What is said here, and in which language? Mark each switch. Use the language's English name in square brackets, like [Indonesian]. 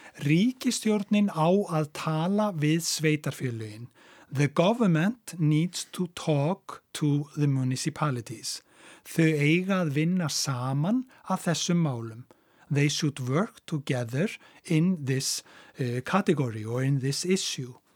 [Icelandic] Ríkisstjórnin á að tala við sveitarfélögin. [English] The government needs to talk to the municipalities. [Icelandic] Þau eiga að vinna saman að þessum málum. [English] They should work together in this category or in this issue.